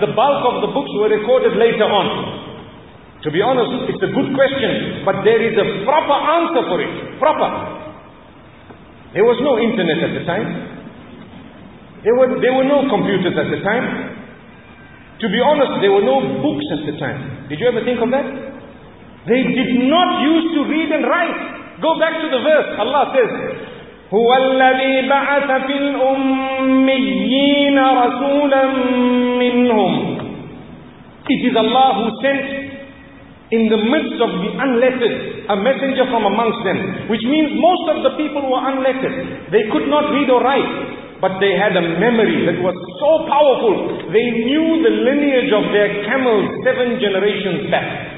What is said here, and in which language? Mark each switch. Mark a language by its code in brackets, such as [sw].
[en] The bulk of the books were recorded later on. To be honest, it's a good question, but there is a proper answer for it. Proper. There was no internet at the time. There were no computers at the time. To be honest, there were no books at the time. Did you ever think of that? They did not used to read and write. Go back to the verse. Allah says, [ar] هُوَ الَّذِي بَعَثَ فِي الْأُمِّيِّينَ رَسُولًا مِّنْهُمْ. [en] It is Allah who sent in the midst of the unlettered a messenger from amongst them. Which means most of the people were unlettered. They could not read or write. But they had a memory that was so powerful. They knew the lineage of their camels 7 generations back.